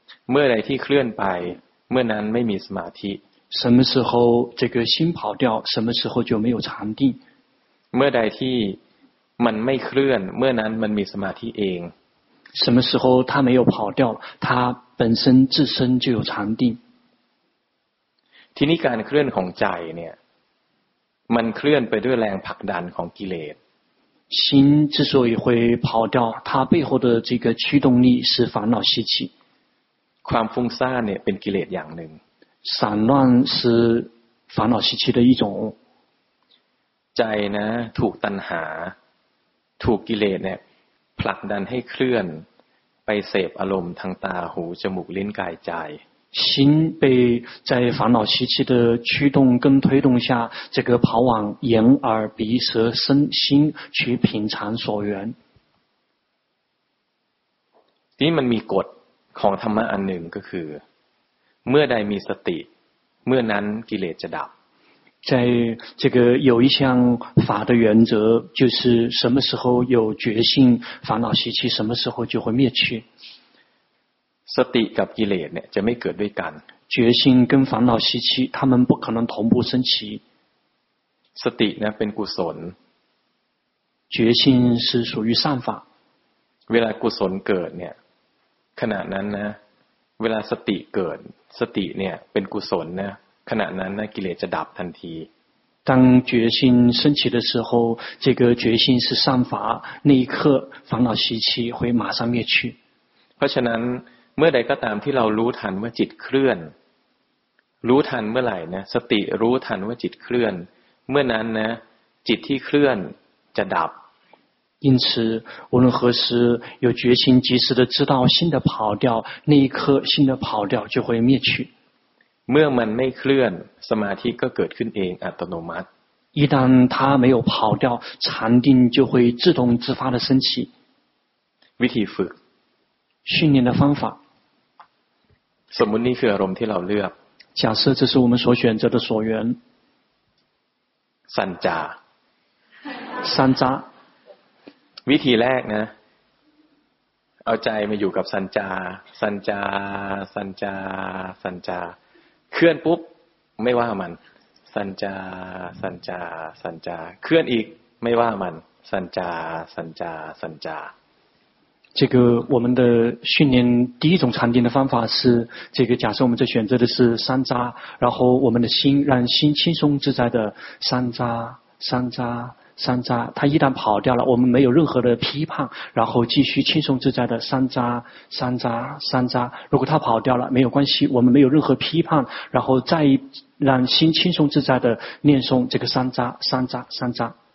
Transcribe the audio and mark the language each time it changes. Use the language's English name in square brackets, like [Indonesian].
[Thai] เมื่อใดที่เคลื่อนไปเมื่อนั้นไม่มีสมาธิ [Chinese] 什么时候这个心跑掉什么时候就没有禅定 [Thai] เมื่อใดที่มันไม่เคลื่อนเมื่อนั้นมันมีสมาธิเอง [Chinese] 什么时候它没有跑掉它本身自身就有禅定 [Thai] ทีนี้การเคลื่อนของใจเนี่ยมันเคลื่อนไปด้วยแรงผลักดันของกิเลส [Chinese] 心之所以会跑掉它背后的这个驱动力是烦恼习气 [Thai] ความฟุ้งซ่านเนี่ยเป็นกิเลสอย่างหนึ่ง [Chinese] 散乱是烦恼习气的一种 [Thai] ใจนะถูกตัณหาถูกกิเลสเนี่ยผลักดันให้เคลื่อนไปเสพอารมณ์ทางตาหูจมูกลิ้นกายใจ [Chinese] 心被在烦恼习气的驱动跟推动下这个跑往眼耳鼻舌身心去品尝所缘 [Thai] นี่มันมีกฎของธรรมะอันหนึ่งก็คือเมื่อใดมีสติเมื่อนั้นกิเลสจะดับ [Chinese] 在这个有一项法的原则就是什么时候有觉性烦恼习气什么时候就会灭去 [Thai] สติกับกิเลสเนี่ยจะไม่เกิดด้วยกัน [Chinese] 觉性跟烦恼习气他们不可能同步升起 [Thai] สตินะเป็นกุศล [Chinese] 觉性是属于善法 [Thai] เวลากุศลเกิดเนี่ยขณะนั้นนะเวลาสติเกิดสติเนี่ยเป็นกุศลนะขณะนั้นนะกิเลสจะดับทันที [Chinese] 当觉性升起的时候这个觉性是善法那一刻烦恼习气会马上灭去 [Thai] เพราะฉะนั้นเมื่อใดก็ตามที่เรารู้ทันว่าจิตเคลื่อนรู้ทันเมื่อไหร่นะสติรู้ทันว่าจิตเคลื่อนเมื่อนั้นนะจิตที่เคลื่อนจะดับ [Chinese] 因此无论何时有决心及时的知道心的跑掉那一刻心的跑掉就会灭去 [Thai] เมื่อมันไม่เคลื่อนสมาธิก็เกิดขึ้นเองอัตโนมัติ [Chinese] 一旦它没有跑掉禅定就会自动自发的升起 [Thai] วิธีฝึก [Chinese] 训练的方法 [Thai] สมมุตินี่คืออารมณ์ที่เราเลือก [Chinese] 假设这是我们所选择的所缘 [Thai] สัญจา สัญจา วิธีแรกนะเอาใจมาอยู่กับสัญจาสัญจาสัญจาสัญจาเคลื่อนปุ๊บไม่ว่ามันสัญจาสัญจาสัญจาเคลื่อนอีกไม่ว่ามันสัญจาสัญจาสัญจา [Chinese] 这个我们的训练第一种禅定的方法是这个假设我们这选择的是山楂然后我们的心让心轻松自在的山楂山楂山楂它一旦跑掉了我们没有任何的批判然后继续轻松自在的山楂山楂山楂如果它跑掉了没有关系我们没有任何批判然后再让心轻松自在的念诵这个山楂山楂山楂